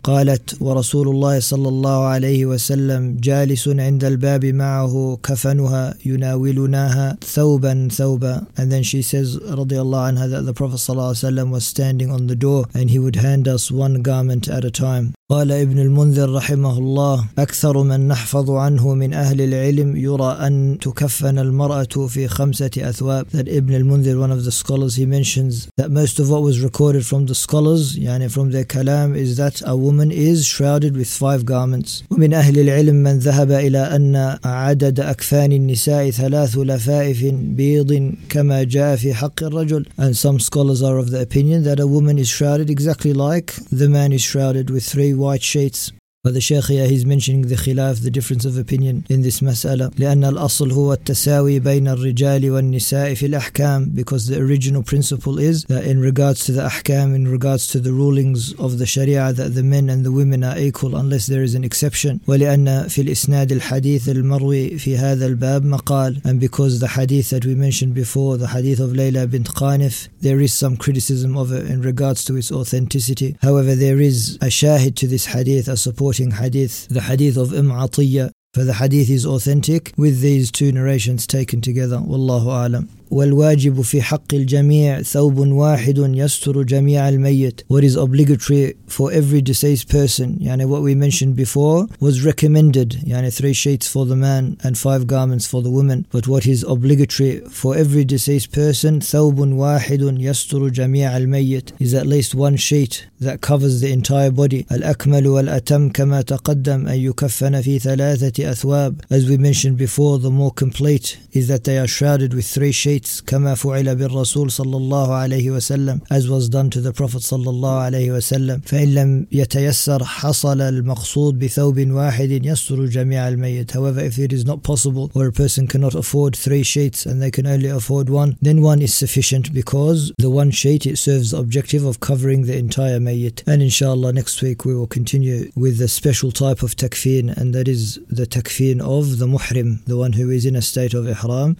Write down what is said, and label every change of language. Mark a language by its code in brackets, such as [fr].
[ar] قالت ورسول الله صلى الله عليه وسلم جالس عند الباب معه كفنها يناولناها ثوبا ثوبا. [en] And then she says [ar] رضي الله عنها [en] that the Prophet [ar] صلى الله عليه وسلم [en] was standing on the door and he would hand us one garment at a time. [ar] قال ابن المنذر رحمه الله أكثر من نحفظ عنه من أهل العلم يرى أن تكفن المرأة في 5 أثواب. [en] That Ibn al-Munzir, one of the scholars, he mentions that most of what was recorded from the scholars, يعني from their kalam, is that a woman is shrouded with 5 garments. [ar] ومن أهل العلم من ذهب إلى أن عدد أكفان النساء 3 لفائف بيض كما جاء في حق الرجل. [en] And some scholars are of the opinion that a woman is shrouded exactly like the man is shrouded with 3 white sheets. But the Shaykh, yeah, he's mentioning the khilaf, the difference of opinion in this mas'ala. [ar] لِأَنَّ الْأَصْلُ هُوَ التَّسَاوِي بَيْنَ الرِّجَالِ وَالنِّسَاءِ فِي الْأَحْكَامِ. [en] Because the original principle is that in regards to the ahkam, in regards to the rulings of the sharia, that the men and the women are equal unless there is an exception. [ar] وَلِأَنَّ فِي الْإِسْنَادِ الْحَدِيثِ الْمَرْوِي فِي هَذَا الْبَابِ مَقَالٍ. [en] And because the hadith that we mentioned before, the hadith of Layla bint Qanif, there is some criticism of it in regards to its authenticity. However, there is a shahid to this hadith, a support hadith, the hadith of Imam Atiyya, for the hadith is authentic with these 2 narrations taken together. [ar] Wallahu a'lam. والواجب في حق الجميع ثوب واحد يستر جميع الميت. [en] What is obligatory for every deceased person, يعني what we mentioned before, was recommended, يعني 3 sheets for the man and 5 garments for the woman. But what is obligatory for every deceased person, [ar] ثوب واحد يستر جميع الميت, [en] is at least 1 sheet that covers the entire body. [ar] الأكمل والأتم كما تقدم أن يكفن في 3 أثواب. [en] As we mentioned before, the more complete is that they are shrouded with 3 sheets, [ar] كما فعل بالرسول صلى الله عليه وسلم, [en] as was done to the Prophet [ar] صلى الله عليه وسلم. فإن لم يتيسر حصل المقصود بثوب واحد يستر جميع الميت. [en] However, if it is not possible or a person cannot afford 3 sheets and they can only afford 1, then 1 is sufficient because the 1 sheet, it serves the objective of covering the entire mayit. And inshallah, next week we will continue with a special type of takfeen, and that is the takfeen of the muhrim, the one who is in a state of ihram.